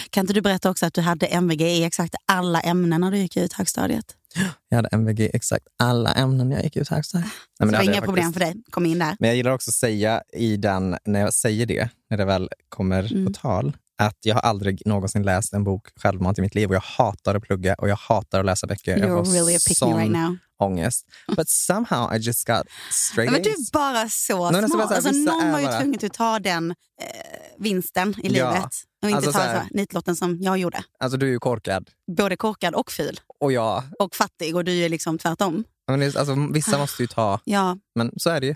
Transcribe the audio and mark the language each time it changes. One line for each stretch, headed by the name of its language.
Swedish: Kan inte du berätta också att du hade MVG i exakt alla ämnen när du gick ut högstadiet? Jag hade MVG i exakt alla ämnen när jag gick ut högstadiet. Nej, men det var inga problem för dig, kom in där. Men jag gillar också att säga i den, när jag säger det, när det väl kommer på tal, att jag har aldrig någonsin läst en bok självmant i mitt liv. Och jag hatar att plugga och jag hatar att läsa böcker.
English: You're really a pick me right now.
Swedish: Ångest.
English: But somehow I just got straight
Swedish: A's. Men du är bara så smart. Alltså, någon har ju tvungit att ta den vinsten i livet. Ja. Och inte alltså, ta så här, nitlotten som jag gjorde. Alltså du är ju korkad. Både korkad och ful. Och jag. Och fattig och du är liksom tvärtom. Men det, alltså, vissa måste ju ta. Ja. Men så är det ju.